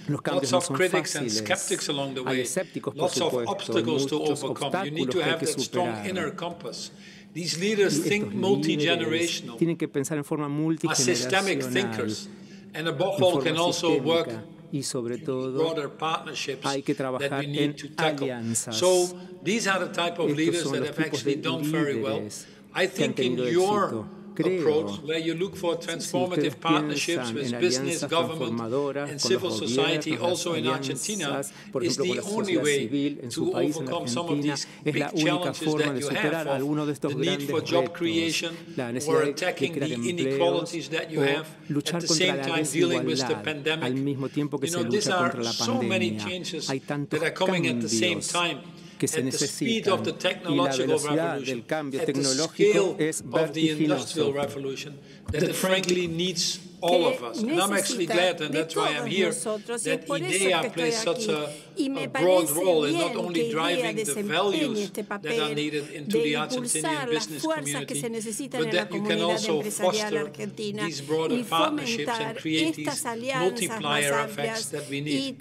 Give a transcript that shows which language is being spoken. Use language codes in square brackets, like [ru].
[es] Los cambios no son fáciles. Hay escépticos, por supuesto, muchos obstáculos que hay que superar. [en] These leaders think multigenerational. [es] Tienen que pensar en forma multigeneracional. [en] And above all, can also work. [es] Y sobre todo, hay que trabajar en alianzas. [en] So these are the type of leaders that have actually done very well. I think in your approach, where you look for transformative partnerships with business, government, and civil society, also in Argentina, is the only way to overcome some of these big challenges that you have, the need for job creation, or attacking the inequalities that you have, at the same time dealing with the pandemic. You know, these are so many changes that are coming at the same time. [es] Que se necesitan y la velocidad del cambio tecnológico es vertiginoso, [en] que frankly needs all of us. And I'm actually glad, and that's why I'm here, that IDEA plays such a broad role in not only driving the values that are needed into the Argentinian business community, but that you can also foster these broader partnerships and create these multiplier effects that we need.